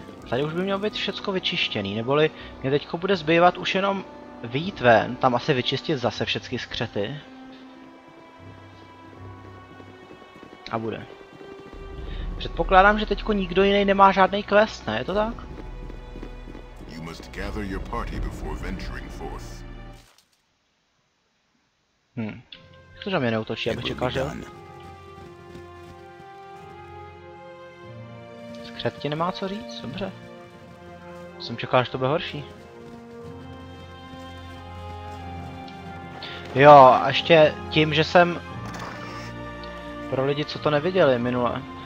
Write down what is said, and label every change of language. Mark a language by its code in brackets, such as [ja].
[cs] Tady už by mělo být všecko vyčištěný, neboli mě teďko bude zbývat už jenom vyjít ven, tam asi vyčistit zase všechny skřety. A bude. Předpokládám, že teďko nikdo jiný nemá žádný quest, ne? Je to tak? [en] You must gather your party before venturing forth. [cs] To že mě neutočí, abych čekal, že jo? Skřet ti nemá co říct? Dobře. Jsem čekal, že to bude horší. Jo, a ještě tím, že jsem... Pro lidi, co to neviděli minule.